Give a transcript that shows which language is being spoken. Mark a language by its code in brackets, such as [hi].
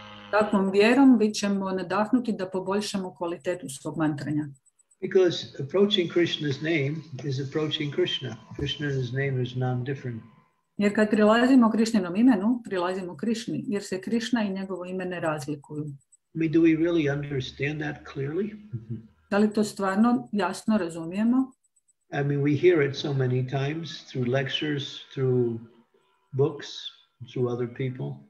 [hr] Takvom vjerom bit ćemo nadahnuti da poboljšamo kvalitetu svog mantranja. [en] Because approaching Krishna's name is approaching Krishna. Krishna's name is non-different. [hr] Jer kad prilazimo Krišninom imenu, prilazimo Krišni, jer se Krišna i njegovo ime ne razlikuju. [en] I mean, do we really understand that clearly? [hr] Da li to stvarno jasno razumijemo? [en] I mean, we hear it so many times through lectures, through books, through other people.